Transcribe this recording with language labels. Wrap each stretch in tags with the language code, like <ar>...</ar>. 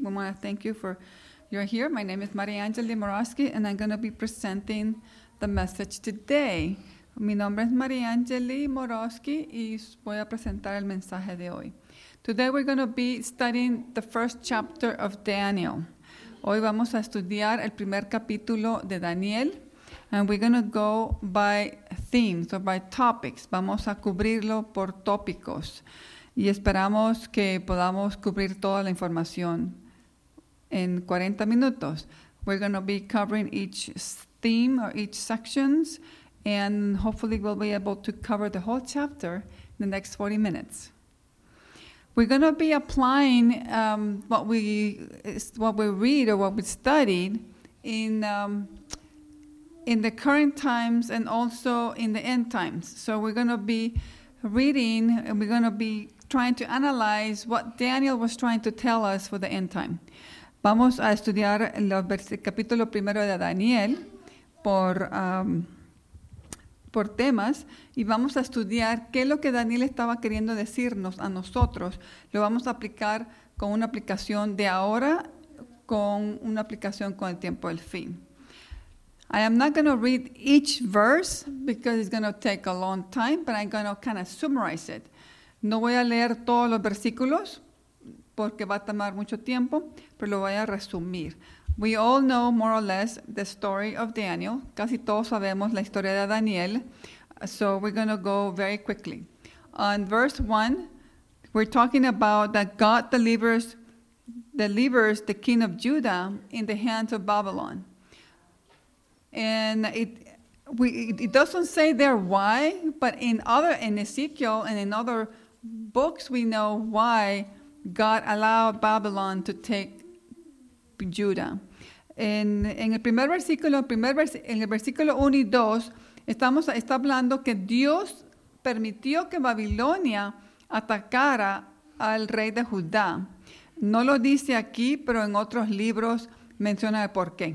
<en>We want to thank you for you're here. My name is Maria Angela Morosky, and I'm going to be presenting the message today.</en> <es>Mi nombre es Maria Angela Morosky, y voy a presentar el mensaje de hoy.</es> <en>Today we're going to be studying the first chapter of Daniel.</en> <es>Hoy vamos a estudiar el primer capítulo de Daniel.</es> <en>And we're going to go by themes or by topics.</en> <es>Vamos a cubrirlo por tópicos. Y esperamos que podamos cubrir toda la información en 40 minutos.</es> <en>We're going to be covering each theme or each sections. And hopefully we'll be able to cover the whole chapter in the next 40 minutes. We're going to be applying what we read or what we studied in the current times and also in the end times. So we're going to be reading and we're going to be trying to analyze what Daniel was trying to tell us for the end time.</en> <es>Vamos a estudiar el capítulo primero de Daniel por temas y vamos a estudiar qué es lo que Daniel estaba queriendo decirnos a nosotros. Lo vamos a aplicar con una aplicación de ahora, con una aplicación con el tiempo del fin.</es> <en>I am not going to read each verse because it's going to take a long time, but I'm going to kind of summarize it.</en> <es>No voy a leer todos los versículos porque va a tomar mucho tiempo, pero lo voy a resumir.</es> <en>We all know more or less the story of Daniel.</en> <es>Casi todos sabemos la historia de Daniel.</es> <en>So we're going to go very quickly. On verse 1, we're talking about that God delivers the king of Judah in the hands of Babylon. And it doesn't say there why, but in Ezekiel and in other books, we know why God allowed Babylon to take Judah.</en> <es>En el primer versículo, en el versículo 1 y 2, está hablando que Dios permitió que Babilonia atacara al rey de Judá. No lo dice aquí, pero en otros libros menciona el por qué.</es>